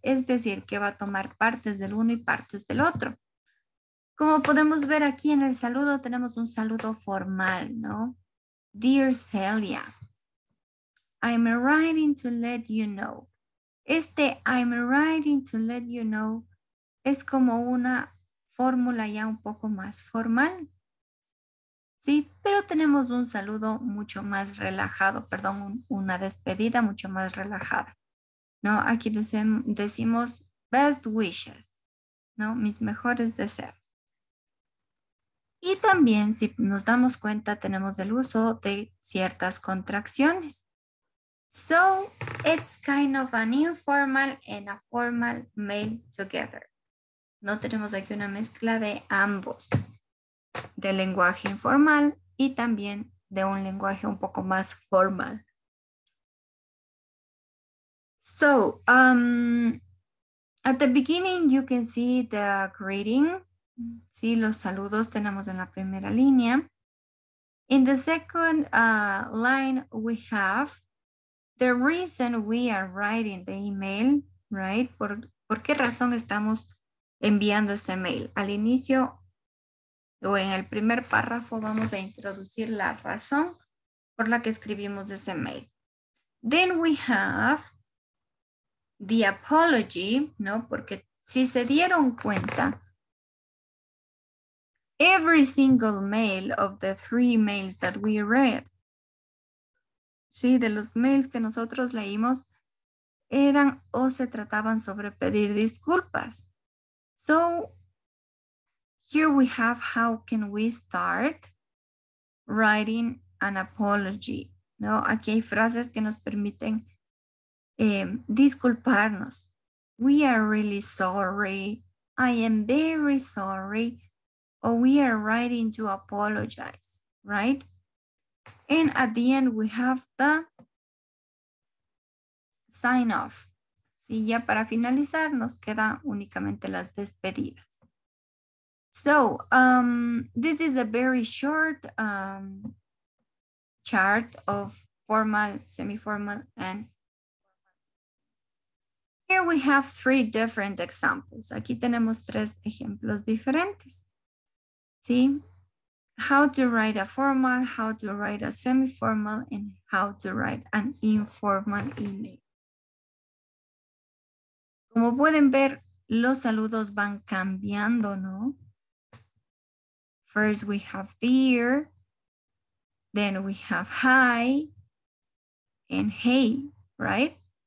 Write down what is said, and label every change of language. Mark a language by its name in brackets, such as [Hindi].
[Spanish] Es decir, que va a tomar partes del uno y partes del otro. Como podemos ver aquí en el saludo, tenemos un saludo formal, ¿no? [English] Dear Celia, I'm writing to let you know. [Spanish] Este [English] I'm writing to let you know [Spanish] es como una fórmula ya un poco más formal. Sí, pero tenemos un saludo mucho más relajado, perdón, una despedida mucho más relajada. No, aquí decimos [English] best wishes, [Spanish] ¿no? Mis mejores deseos. Y también, si nos damos cuenta, tenemos el uso de ciertas contracciones. [English] So, it's kind of an informal and a formal mail together. [Spanish] No tenemos aquí una mezcla de ambos, de lenguaje informal y también de un lenguaje un poco más formal. [English] So, at the beginning you can see the greeting. [Spanish] Sí, los saludos tenemos en la primera línea. [English] In the second line, we have the reason we are writing the email, right? [Spanish] ¿Por qué razón estamos enviando ese mail? Al inicio o en el primer párrafo vamos a introducir la razón por la que escribimos ese mail. [English] Then we have the apology, ¿no? [Spanish] Porque si se dieron cuenta, [English] every single mail of the three mails that we read. [Spanish] Sí, de los mails que nosotros leímos eran o se trataban sobre pedir disculpas. So, [English] Here we have how can we start writing an apology, ¿no? [Spanish] Aquí hay frases que nos permiten disculparnos. [English] We are really sorry. I am very sorry. Or we are writing to apologize, right? And at the end, we have the sign off. [Spanish] Sí, ya para finalizar, nos quedan únicamente las despedidas. [English] So, this is a very short chart of formal, semi-formal, and here we have three different examples. [Spanish] Aquí tenemos tres ejemplos diferentes. Sí, [English] how to write a formal, how to write a semi-formal, and how to write an informal email. [Spanish] Como pueden ver, los saludos van cambiando, ¿no? [English] First we have dear, then we have hi, and hey, right?